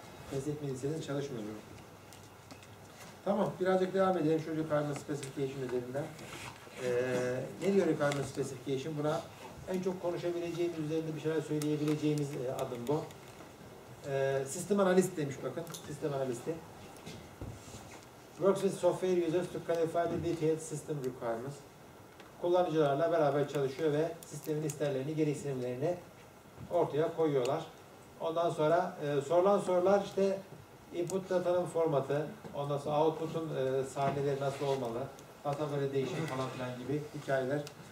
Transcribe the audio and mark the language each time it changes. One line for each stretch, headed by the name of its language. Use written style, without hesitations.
Turkish: Test etmediyseniz çalışmıyor. Tamam, birazcık devam edelim. Şöyle requirement specification üzerinden. Ne diyor requirement specification? Buna en çok konuşabileceğimiz üzerinde bir şeyler söyleyebileceğimiz adım bu. System analyst demiş bakın, system analisti.
English: Works with software users to clarify the detailed system requirements.
Turkish: Kullanıcılarla beraber çalışıyor ve sistemin isterlerini, gereksinimlerini ortaya koyuyorlar. Ondan sonra sorulan sorular işte input datanın formatı, ondan sonra output'un sahneleri nasıl olmalı, data böyle değişimi falan filan gibi hikayeler.